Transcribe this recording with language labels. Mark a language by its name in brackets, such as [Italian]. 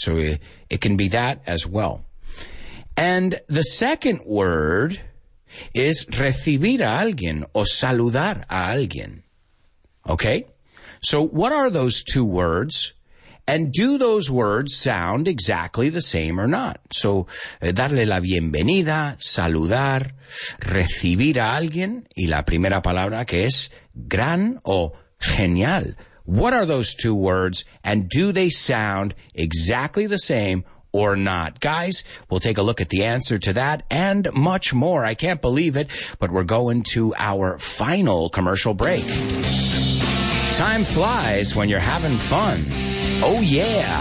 [English] So it can be that as well. And the second word is [Spanish] recibir a alguien o saludar a alguien, [English] okay? So what are those two words? And do those words sound exactly the same or not? [Spanish] So, darle la bienvenida, saludar, recibir a alguien, y la primera palabra que es gran o genial. [English] What are those two words, and do they sound exactly the same or not? Guys, we'll take a look at the answer to that and much more. I can't believe it, but we're going to our final commercial break. Time flies when you're having fun. Oh, yeah.